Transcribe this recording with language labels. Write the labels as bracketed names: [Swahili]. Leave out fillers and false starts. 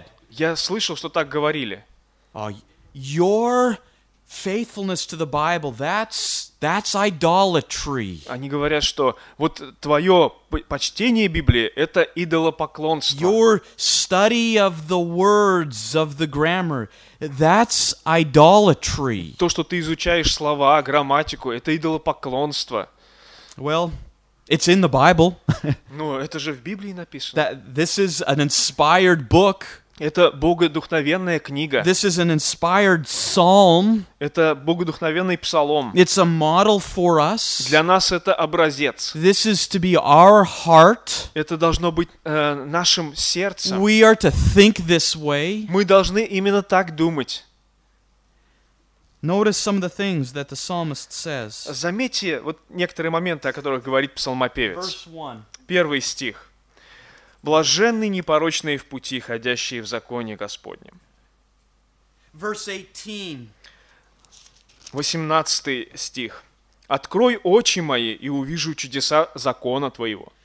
[Russian] Я слышал, что так говорили. [English] Your faithfulness to the Bible, that's idolatry. [Russian] Они говорят, что вот твое почтение Библии — это идолопоклонство. [English] Your study of the words, of the grammar, that's idolatry. [Russian] То, что ты изучаешь слова, грамматику — это идолопоклонство. [English] Well, it's in the Bible. [Russian] Ну, это же в Библии написано. [English] This is an inspired book. [Russian] Это богодухновенная книга. [English] This is an inspired psalm. [Russian] Это богодухновенный псалом. [English] It's a model for us. [Russian] Для нас это образец. [English] This is to be our heart. [Russian] Это должно быть нашим сердцем. [English] We are to think this way. [Russian] Мы должны именно так думать. [English] Notice some of the things that the psalmist says. [Russian] Заметьте вот некоторые моменты, о которых говорит псалмопевец. [English] Verse 1. [Russian] Первый стих. Блаженны непорочные в пути, ходящие в законе Господнем. [English] Verse 18. [Russian] 18 стих. Открой очи мои, и увижу чудеса закона твоего.